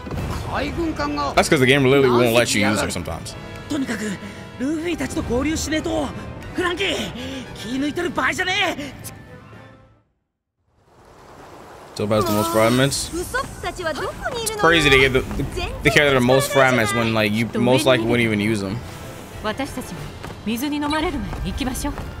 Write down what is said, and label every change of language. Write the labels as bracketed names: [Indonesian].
[English] That's because the game literally won't let you use her sometimes. [Japanese] とにかくルフィたちと合流しねえと。フランキー、気抜いてる場合じゃねえ。 [English] So far, the most fragments. It's crazy to get the character the most fragments when, like, you most likely wouldn't even use them. [Japanese] 私たちも水に飲まれる前に行きましょう。